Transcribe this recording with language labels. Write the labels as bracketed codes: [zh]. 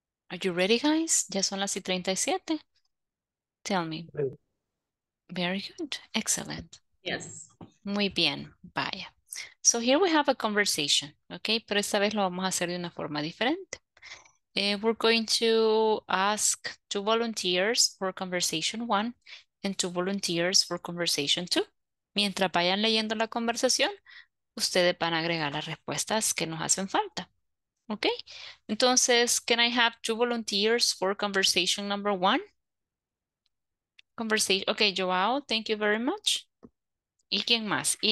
[en] Are you ready, guys? [es] Ya son las 37. [en] Tell me. Very good. Excellent. Yes. [es] Muy bien. Vaya. [en] So here we have a conversation, okay? [es] Pero esta vez lo vamos a hacer de una forma diferente. [en] We're going to ask two volunteers for conversation one and two volunteers for conversation two. [es] Mientras vayan leyendo la conversación, ustedes van a agregar las respuestas que nos hacen falta. [en] Okay, [es] entonces, [en] can I have two volunteers for conversation number one? Conversation, okay, Joao, thank you very much. [es] ¿Y quién más?